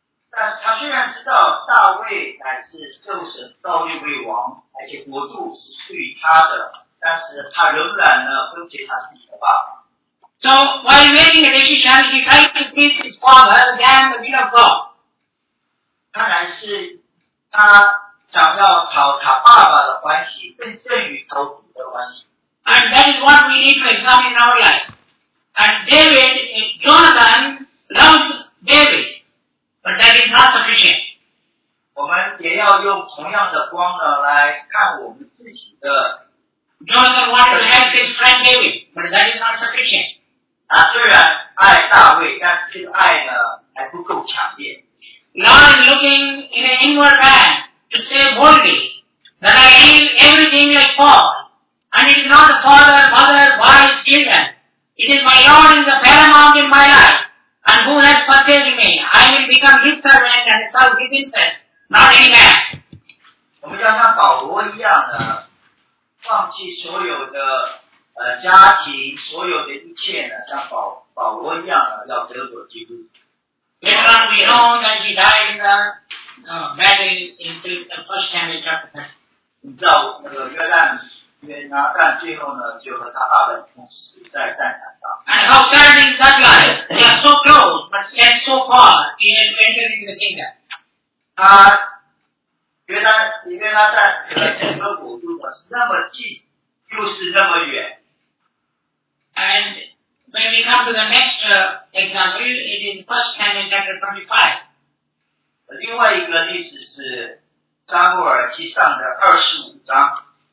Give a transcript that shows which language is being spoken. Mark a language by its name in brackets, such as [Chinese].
[English] So, while making a decision, he tried to please his father than the will of God. [Chinese] 想要讨他爸爸的欢喜，更胜于讨主的欢喜。 [English] And that is what we need to examine in our life. And David, Jonathan loves David, but that is not sufficient. [Chinese] 我们也要用同样的光呢来看我们自己的。 [English] Jonathan wants to help his friend David, but that is not sufficient. [Chinese] 他虽然爱大卫，但是这个爱呢还不够强烈。 [English] God is looking in an inward man to say worthy that I give everything like Paul. And it is not the father, mother, wife, children. It is my Lord in the paramount in my life. And who has purchased me? I will become his servant and serve his interest, not any man. We just like Paul, [Chinese] 一样的放弃所有的家庭，所有的一切呢，像保罗一样的要得着基督。 [English] Later on, we know that he died in the battle in the first Samuel chapter 10. [Chinese] 你知道那个约旦，约拿旦最后呢，就和他爸爸同死在战场上。 [English] And how sad is that guy? They are so close, but yet so far in entering the kingdom. [Chinese] 他约拿旦这个整个国度呢是那么近，又是那么远。 [English] And when we come to the next example, it is 1 Samuel chapter 25. [Chinese] 另外一个例子是撒母耳记上的二十五章。